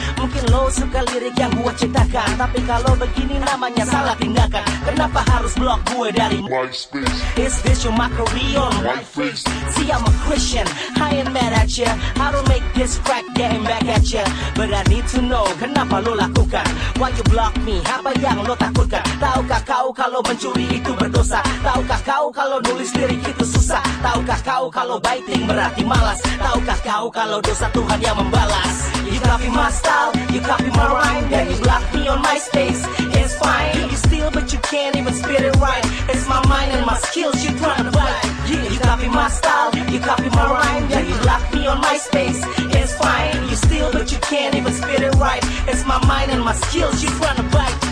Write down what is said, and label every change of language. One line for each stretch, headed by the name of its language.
Indonesian: Mungkin lo suka lirik yang gua ciptakan, tapi kalau begini namanya salah tindakan. Kenapa harus block gue dari MySpace?
English: Is this your mockery on my face? See, I'm a Christian, I ain't mad at ya. I don't make this crack getting back at ya. But I need to know,
Indonesian: kenapa lo lakukan?
English: Why you block me?
Indonesian: Apa yang lo takutkan? Taukah kau kalau mencuri itu berdosa? Taukah kau kalau nulis lirik itu susah? Taukah kau kalau biting berarti malas? Taukah kau kalau dosa Tuhan yang membalas?
English: You copy my style, you copy my rhyme, then you block me on my space. It's fine, you steal but you can't even spit it right. It's my mind and my skills you tryna fight. Yeah, you copy my style, you copy my rhyme, then you block me on my space. It's fine, you steal but you can't even spit it right. It's my mind and my skills you tryna fight.